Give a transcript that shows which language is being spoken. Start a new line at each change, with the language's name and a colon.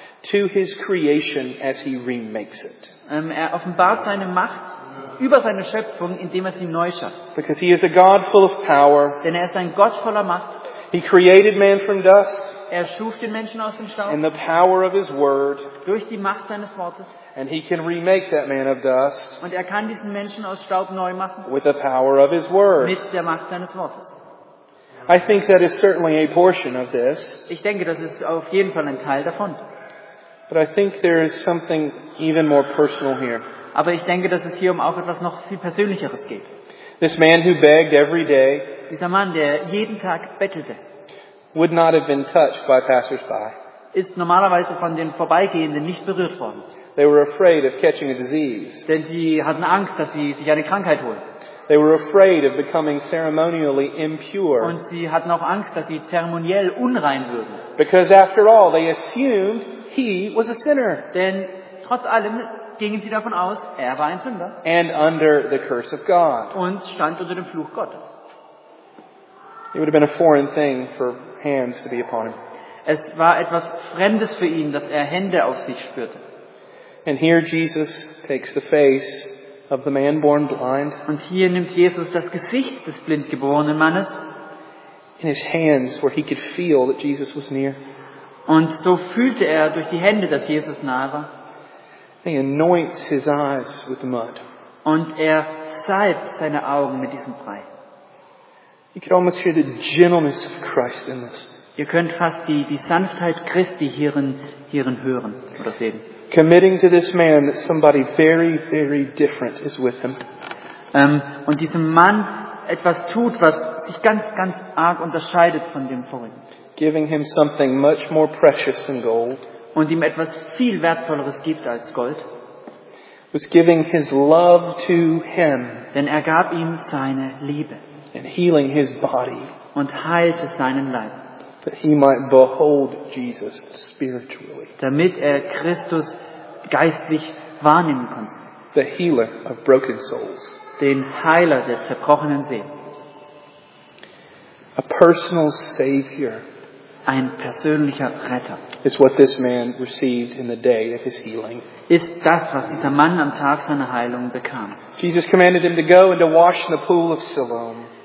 English: to his creation as he remakes it.
German: Er offenbart seine Macht über seine Schöpfung, indem er sie neu schafft.
English: Because he is a God full of power.
German: Denn er ist ein Gott voller Macht.
English: He created man from dust.
German: Er schuf den Menschen aus dem Staub.
English: In the power of his word.
German: Durch die Macht seines Wortes.
English: And he can remake that man of dust.
German: Und er kann diesen Menschen aus Staub neu machen.
English: With the power of his word.
German: Mit der Macht seines Wortes.
English: I think that is certainly a portion of this.
German: Ich denke, das ist auf jeden Fall ein Teil davon.
English: But I think there is something even more personal here.
German: Aber ich denke, dass es hier auch etwas noch viel Persönlicheres geht.
English: This man who begged every day,
German: dieser Mann, der jeden Tag bettelte,
English: would not have been touched by passers-by.
German: Ist normalerweise von den Vorbeigehenden nicht berührt worden.
English: They were afraid of catching a disease.
German: Denn sie hatten Angst, dass sie sich eine Krankheit holen.
English: They were afraid of becoming ceremonially impure.
German: Und sie hatten auch Angst, dass sie zeremoniell unrein würden.
English: Because after all, they assumed he was a sinner.
German: Denn trotz allem gingen sie davon aus, er war ein Sünder.
English: And under the curse of God.
German: Und stand unter dem Fluch Gottes.
English: It would have been a foreign thing for hands to be upon him.
German: Es war etwas Fremdes für ihn, dass er Hände auf sich spürte.
English: And here Jesus takes the face of the man born blind.
German: Und hier nimmt Jesus das Gesicht des blindgeborenen Mannes.
English: In his hands, where he could feel that Jesus was near.
German: Und so fühlte er durch die Hände, dass Jesus nahe war.
English: He anoints his eyes with the mud.
German: Und er salbt seine Augen mit diesem Brei.
English: You could almost hear the gentleness of Christ in this.
German: Ihr könnt fast die Sanftheit Christi hierin hören oder sehen.
English: Committing to this man that somebody very, very different is with him.
German: Und diesem Mann etwas tut, was sich ganz, ganz arg unterscheidet von dem Vorigen.
English: Giving him something much more precious than gold.
German: Und ihm etwas viel Wertvolleres gibt als Gold.
English: Was giving his love to him.
German: Denn er gab ihm seine Liebe.
English: And healing his body.
German: Und heilte seinen Leib.
English: That he might behold Jesus spiritually.
German: Damit er Christus geistlich wahrnehmen konnte.
English: The healer of broken souls.
German: Den Heiler der zerbrochenen Seelen.
English: A personal savior.
German: Ein persönlicher Retter.
English: Is what this man received in the day of his healing.
German: Ist das, was dieser Mann am Tag seiner Heilung bekam.
English: Jesus commanded him to go and to wash in the pool of Siloam.